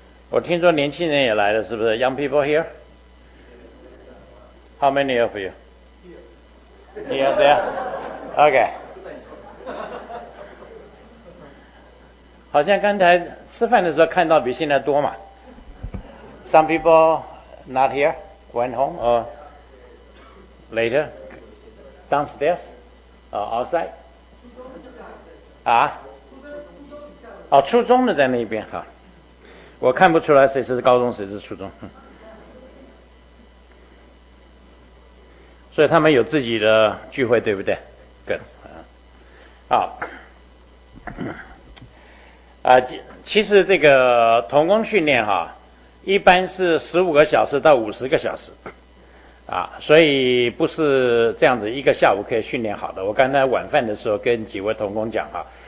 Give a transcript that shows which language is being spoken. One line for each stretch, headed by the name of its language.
Chinese: 我听说年轻人也来了，是不是 ？
English: Young people here? How many of you? Here, there. Okay.
Chinese: 好像刚才吃饭的时候看到比现在多嘛。
English: Some people not here, went home or later, downstairs, or outside.
Chinese: 啊，哦，初中的在那一边哈，我看不出来谁是高中，谁是初中，所以他们有自己的聚会，对不对？对，好，啊，其实这个童工训练哈，一般是15个小时到50个小时，啊，所以不是这样子一个下午可以训练好的。我刚才晚饭的时候跟几位童工讲哈。